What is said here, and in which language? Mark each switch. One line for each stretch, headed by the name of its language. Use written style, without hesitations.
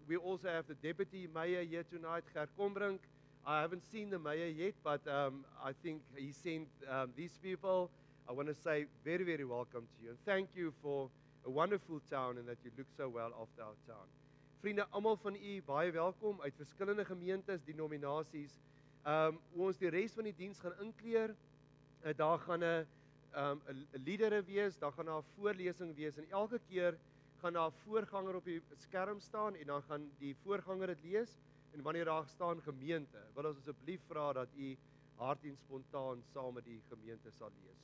English: We also have the deputy mayor here tonight, Ger Kombrink. I haven't seen the mayor yet, but I think he sent these people. I want to say very, very welcome to you. And thank you for a wonderful town and that you look so well after our town.
Afrikaans: Vriende, allemaal van u, baie welkom uit verskillende gemeentes, denominasies. Hoe ons die rest van die diens gaan inkleer, daar gaan 'n liedere wees, daar gaan 'n voorlesing wees, en elke keer gaan daar 'n voorganger op die skerm staan, en dan gaan die voorganger dit lees, en wanneer daar staan gemeente, wil ons asseblief vra dat u hard en spontaan saam met die gemeente sal lees.